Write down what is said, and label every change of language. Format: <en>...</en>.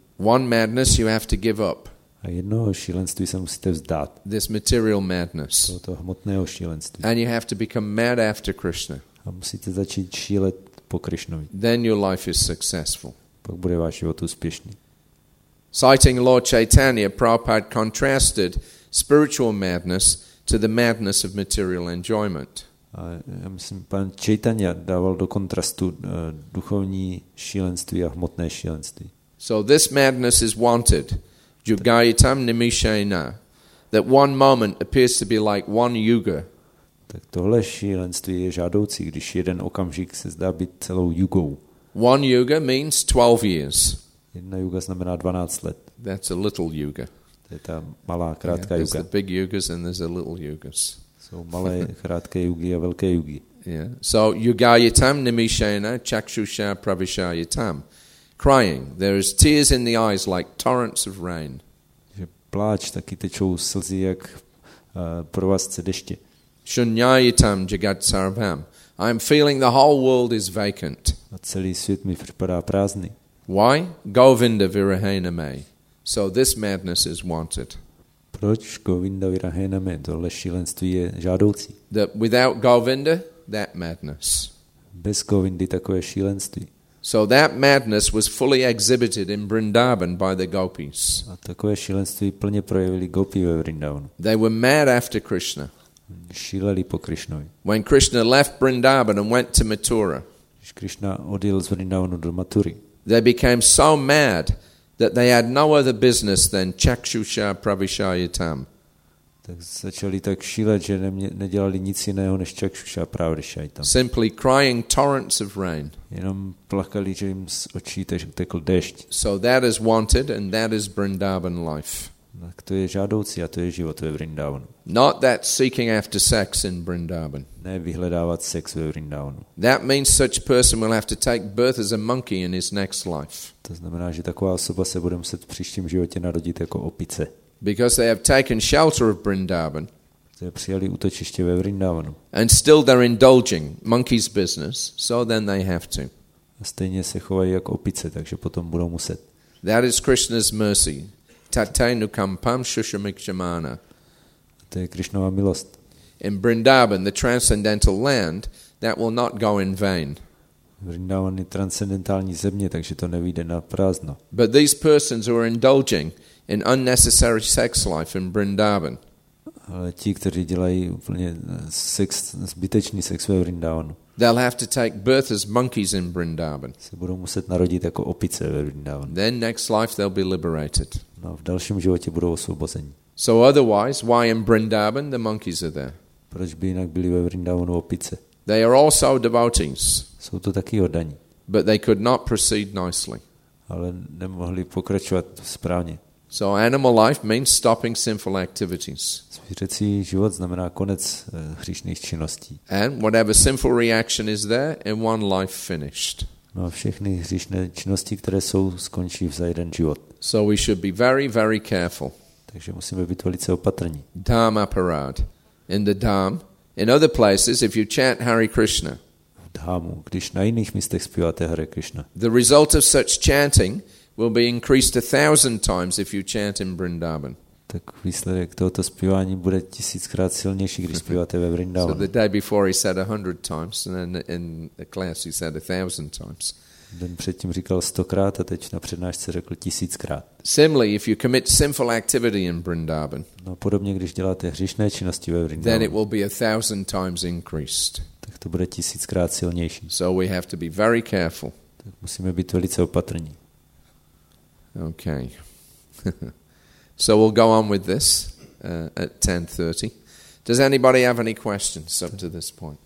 <en>One madness you have to give up.</en> <cs>A jednoho šílenství se musíte vzdát.</cs> <en>This material madness.</en> <cs>Tohoto hmotného šílenství.</cs> <en>And you have to become mad after Krishna.</en> <cs>A musíte začít šílet po Krišnovi.</cs> <en>Then your life is successful.</en> <cs>Pak bude váš život úspěšný.</cs> <en>Citing Lord Chaitanya, Prabhupada contrasted spiritual madness to the madness of material enjoyment.</en> <cs>A já myslím, pan Chaitanya dával do kontrastu duchovní šílenství a hmotné šílenství.</cs> <en>So this madness is wanted,</en> <sa>yugayitam nimishena,</sa> <en>that one moment appears to be like one yuga.</en> <cs>Tak tohle šílenství je žádoucí, když jeden okamžik se zdá být celou jugou.</cs> <en>One yuga means 12 years.</en> <cs>Jedna yuga znamená 12 let.</cs> <en>That's a little yuga.</en> <cs>To je ta malá, krátká yuga.</cs> <en>There's the big yugas and there's a little yugas.</en> <cs>Jsou malé, krátké yugy a velké yugy.</cs> <en>Yeah. So</en> <sa>yugayitam nimishena chakshusha pravishayitam.</sa> <en>Crying. There is tears in the eyes like torrents of rain.</en> <cs>Pláč, taky tečou slzy jak provazce deště.</cs> <sa>Shunyayitam jagat sarvam.</sa> <en>I am feeling the whole world is vacant.</en> <cs>A celý svět mi připadá prázdný.</cs> <en>Why?</en> <sa>Govinda virahena me.</sa> <en>So this madness is wanted.</en> <cs>Proč</cs> <sa>Govinda virahena me?</sa> <cs>Tohle šílenství je žádoucí.</cs> <en>That without Govinda, that madness.</en> <cs>Bez Govindy takové šílenství.</cs> <en>So that madness was fully exhibited in Vrindavan by the gopis.</en> <cs>A takové šílenství plně projevili gopi ve Vrindavanu.</cs> <en>They were mad after Krishna.</en> <cs>Šíleli po Krishnovi.</cs> <en>When Krishna left Vrindavan and went to Mathura.</en> <cs>Když Krishna odjel z Vrindavanu do Mathury.</cs> <en>They became so mad that they had no other business than</en> <sa>Chakshusha Pravishayatam.</sa> <cs>Tak začali tak šílet, že nedělali nic jiného než</cs> <sa>Chakshusha Pravishayatam.</sa> <en>Simply crying torrents of rain.</en> <cs>Jenom plakali, že jim z očí tekl déšť.</cs> <en>So that is wanted and that is Vrindavan life.</en> <cs>Tak to je žádoucí a to je život ve Vrindavanu.</cs> <en>Not that seeking after sex in Vrindavan.</en> <cs>Ne vyhledávat sex ve Vrindavanu.</cs> <en>That means such person will have to take birth as a monkey in his next life.</en> <cs>To znamená, že taková osoba se bude muset v příštím životě narodit jako opice.</cs> <en>Because they have taken shelter of Vrindavan.</en> <cs>Že přijali útočiště ve Vrindavanu.</cs> <en>And still they're indulging monkey's business, so then they have to.</en> <cs>A stejně se chovají jako opice, takže potom budou muset.</cs> <en>That is Krishna's mercy.</en> <sa>Tatainu kampam shushamikshamana.</sa> <cs>To je Krishnova milost.</cs> <en>In Vrindavan, the transcendental land, that will not go in vain.</en> <cs>Vrindavan je transcendentální země, takže to nevyjde na prázdno.</cs> <en>But these persons who are indulging in unnecessary sex life in Vrindavan.</en> <cs>Ale ti, kteří dělají úplně sex, zbytečný sex ve Vrindavanu.</cs> <en>They'll have to take birth as monkeys in Vrindavan.</en> <cs>Se budou muset narodit jako opice ve Vrindavanu.</cs> <en>Then next life they'll be liberated.</en> <cs>No, v dalším životě budou osvobozeni.</cs> <en>So otherwise, why in Vrindavan the monkeys are there?</en> <cs>Proč by jinak byli ve Vrindavanu opice?</cs> <en>They are also devotees.</en> <cs>Jsou to taky oddaní.</cs> <en>But they could not proceed nicely.</en> <cs>Ale nemohli pokračovat správně.</cs> <en>So animal life means stopping sinful activities.</en> <cs>Zvířecí život znamená konec hříšných činností.</cs> <en>And whatever sinful reaction is there, in one life finished.</en> <cs>No a všechny hříšné činnosti, které jsou, skončí za jeden život.</cs> <en>So we should be very, very careful.</en> <cs>Takže musíme být velice opatrní.</cs> <en>Dharma parad. In the dham. In other places, if you chant Hare Krishna.</en> <cs>V dhamu, když na jiných místech zpíváte Hare Krishna.</cs> <en>The result of such chanting will be increased 1,000 times if you chant in Vrindavan.</en> <cs>Tak výsledek tohoto zpívání bude 1,000x silnější, když zpíváte ve Vrindavanu.</cs> <en>So the day before he said 100 times, and then in the class he said 1,000 times.</en> <cs>Den předtím říkal 100x a teď na přednášce řekl 1,000x.</cs> <en>Similarly, if you commit sinful activity in Vrindavan.</en> <cs>No podobně, když děláte hříšné činnosti ve Vrindavanu.</cs> <en>Then it will be 1,000 times increased.</en> <cs>Tak to bude 1,000x silnější.</cs> <en>So we have to be very careful.</en> <cs>Tak musíme být velice opatrní.</cs> <en>Okay. So we'll go on with this at 10:30. Does anybody have any questions up to this point?</en>